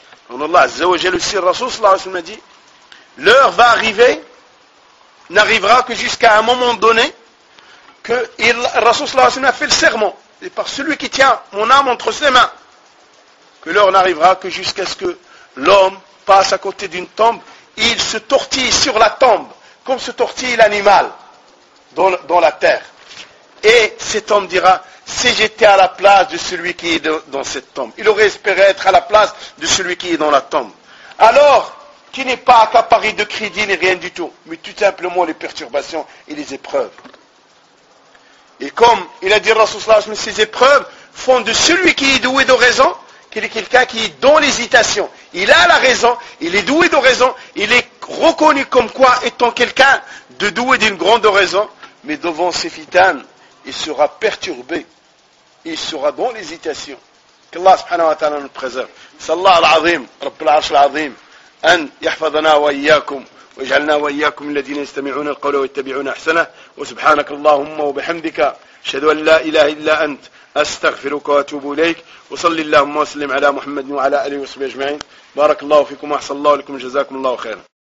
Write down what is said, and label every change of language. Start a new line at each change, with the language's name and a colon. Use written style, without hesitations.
Arabic: ان الله عز وجل يسير الرسول صلى الله عليه وسلم دي
French: L'heure va arriver, n'arrivera que jusqu'à un moment donné, que Rasoul sallallahu alayhi wa sallam a fait le serment, et par celui qui tient mon âme entre ses mains, que l'heure n'arrivera que jusqu'à ce que l'homme passe à côté d'une tombe, et il se tortille sur la tombe, comme se tortille l'animal dans la terre. Et cet homme dira, si j'étais à la place de celui qui est dans cette tombe. Il aurait espéré être à la place de celui qui est dans la tombe. Alors, tu n'es pas accaparé de crédit ni rien du tout, mais tout simplement les perturbations et les épreuves. Et comme il a dit Rasulallah, ces épreuves font de celui qui est doué de raison, qu'il est quelqu'un qui est dans l'hésitation. Il a la raison, il est doué de raison, il est reconnu comme quoi étant quelqu'un de doué d'une grande raison, mais devant ses fitanes, il sera perturbé, il sera dans l'hésitation. Qu'Allah subhanahu wa ta'ala nous préserve.
Arabic: Sallallahu alayhi wa sallam, Rabbul Arsh al-Azim, أن يحفظنا وإياكم واجعلنا وإياكم الذين يستمعون القول ويتبعون أحسنه وسبحانك اللهم وبحمدك أشهد أن لا إله إلا أنت أستغفرك وأتوب إليك وصلي اللهم وسلم على محمد وعلى آله وصحبه أجمعين بارك الله فيكم وأحسن الله لكم جزاكم الله خيرا.